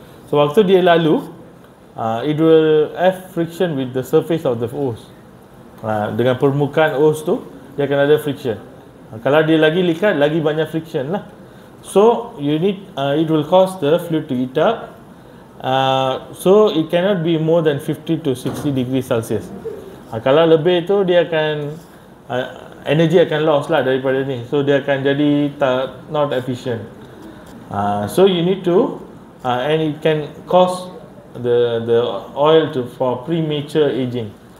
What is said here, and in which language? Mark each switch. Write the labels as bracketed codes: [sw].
[ms] So waktu dia lalu, [en] it will have friction with the surface of the hose. [ms] Dengan permukaan hose tu, dia akan ada friction. Kalau dia lagi likat, lagi banyak friction lah. [en] So you need, it will cause the fluid to heat up. So it cannot be more than 50 to 60 degrees Celsius. [ms] Kalau lebih tu, dia akan energy akan loss lah daripada ni. So dia akan jadi [en] not efficient. So you need to, and it can cause the oil to for premature aging.